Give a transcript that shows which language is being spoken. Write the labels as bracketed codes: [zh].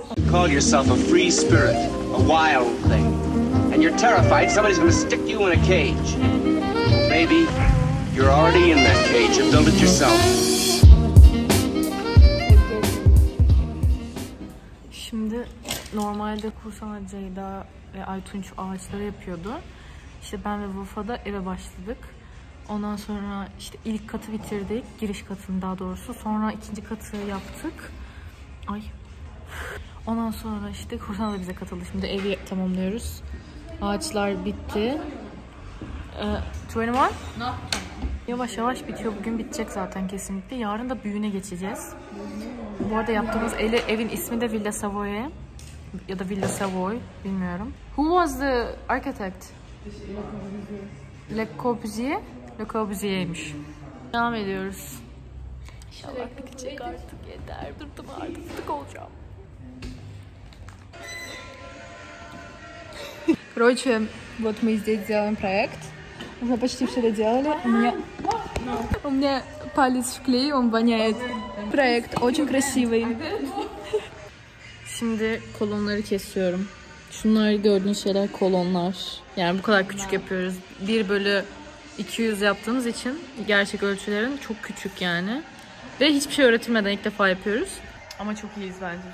[en] Call yourself a free spirit, a wild thing, and you're terrified somebody's gonna stick you in a cage. Maybe you're already in that cage and build it yourself. [tr] Şimdi normalde Kursan Ceyda ve Aytunç ağaçları yapıyordu. İşte ben ve Vufa'da eve başladık. Ondan sonra işte ilk katı bitirdik, giriş katını daha doğrusu. Sonra ikinci katı yaptık. Ay. Ondan sonra işte Kursan da bize katıldı. Şimdi evi tamamlıyoruz. Ağaçlar bitti. 21? [en] No. [tr] Yavaş yavaş bitiyor. Bugün bitecek zaten kesinlikle. Yarın da büyüğüne geçeceğiz. Bu arada yaptığımız evin ismi de Villa Savoy ya da Villa Savoy, bilmiyorum. [en] Who was the architect? Le Corbusier. [tr] Le Corbusier'ymiş. Devam ediyoruz. İnşallah bitecek artık, yeter. Durdum artık, sıkı olacağım. [ru] Короче, вот мы здесь делаем проект. Мы почти все доделали. У меня палец в клей, он воняет. Проект очень красивый. [tr] Şimdi kolonları kesiyorum. Şunlar gördüğünüz şeyler kolonlar. Yani bu kadar küçük yapıyoruz. 1/200 yaptığımız için gerçek ölçülerin çok küçük yani. Ve hiçbir şey öğretilmeden ilk defa yapıyoruz. Ama çok iyiyiz bence.